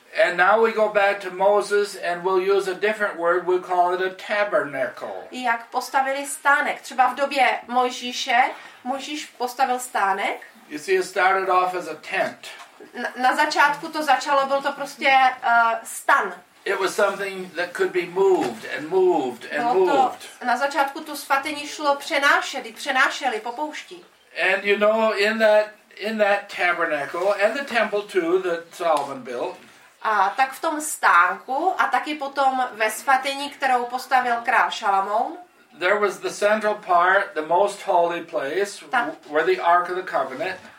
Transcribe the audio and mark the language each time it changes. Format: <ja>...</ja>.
<en>And now we go back to Moses and we'll use a different word, we'll call it a tabernacle.</en> <cs>Jak postavili stánek? Třeba v době Mojžíše, Mojžíš postavil stánek.</cs> <en>You see, it started off as a tent.</en> <cs>Na začátku to začalo, byl to prostě stan.</cs> <en>It was something that could be moved and moved and moved.</en> <cs>Na začátku tu svatyni šlo přenášeli po poušti.</cs> <en>And you know in that tabernacle and the temple too that Solomon built.</en> <cs>A tak v tom stánku a taky potom ve svatyni, kterou postavil král Šalamoun.</cs> <en>There was the central part, the most holy place, where the Ark of the Covenant.</en>